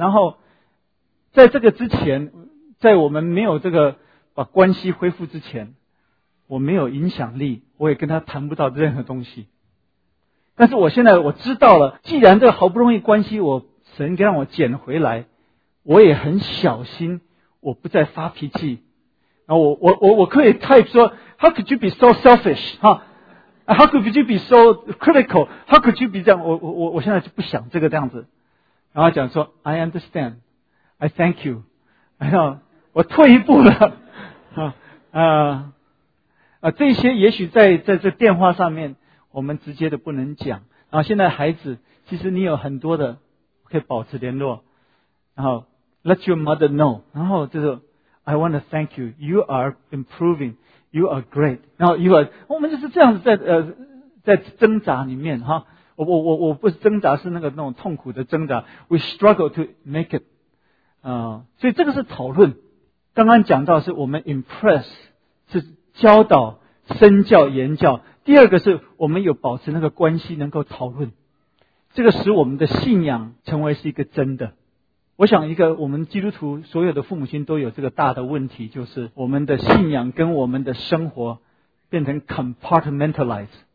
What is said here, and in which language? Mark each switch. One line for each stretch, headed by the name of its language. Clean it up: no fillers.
Chinese: 然后在这个之前，在我们没有这个把关系恢复之前，我没有影响力，我也跟他谈不到任何东西。但是我现在我知道了，既然这个好不容易关系我神给让我捡回来，我也很小心，我不再发脾气。然后我可以
English: type 说 How could you be so selfish? How could you be so critical? How could you be
Chinese: 这样？我现在就不想这个这样子。然后讲说
English: I understand, I thank you,
Chinese: 然后我退一步了。这些也许在这电话上面我们直接的不能讲，然后现在孩子其实你有很多的可以保持联络，然后
English: let your mother know,
Chinese: 然后就是
English: I want to thank you, you are improving, you are great,
Chinese: 然后 you are, 我们就是这样子在挣扎里面哈。我不是挣扎，是那种痛苦的挣扎。
English: We struggle to make it，
Chinese: 所以这个是讨论。刚刚讲到是我们 impress， 是教导、身教、言教。第二个是我们有保持那个关系，能够讨论，这个使我们的信仰成为是一个真的。我想一个我们基督徒所有的父母亲都有这个大的问题，就是我们的信仰跟我们的生活变成 compartmentalize。